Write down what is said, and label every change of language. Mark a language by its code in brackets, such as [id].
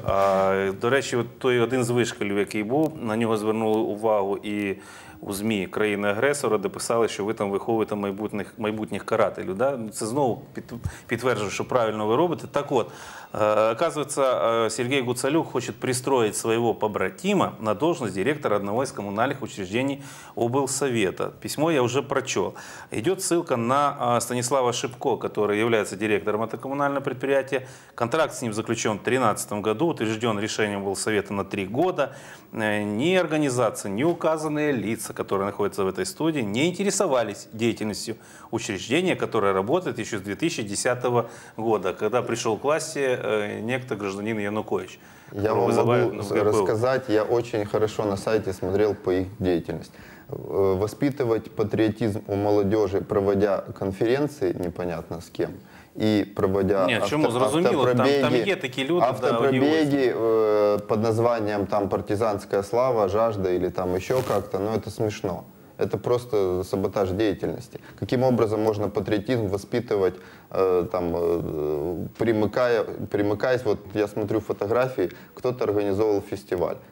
[uk] А, до речі, той один з вишколів, який був, на нього звернули увагу і у ЗМІ країни-агресора, де писали, що ви там виховуєте майбутніх карателів. Да? Це знову підтверджує, що правильно ви робите. Так от, оказується, Сергій Гуцулюк хоче пристроїти свого побратима на должность директора одного із комунальних учреждений облсовета. [ru] Письмо я вже прочел. Йде ссылка на Станислава Шипко, который является директором этого комунального предприятия. Контракт с ним заключен в 2013 году, утвержден решением облсовета на 3 года. Ни организация, ни указанные лица, которые находятся в этой студии, не интересовались деятельностью учреждения, которое работает еще с 2010 года, когда пришел к власти некто гражданин Янукович. Я вам могу рассказать, я очень хорошо на сайте смотрел по их деятельности. Воспитывать патриотизм у молодежи, проводя конференции, непонятно с кем, и проводя [uk] автопробеги, там є такі люди, [ru] автопробеги под названием там «Партизанская слава», «Жажда» или там еще как-то, но это смешно. Это просто саботаж деятельности. Каким образом можно патриотизм воспитывать, там, примыкаясь, вот я смотрю фотографии, кто-то организовал фестиваль.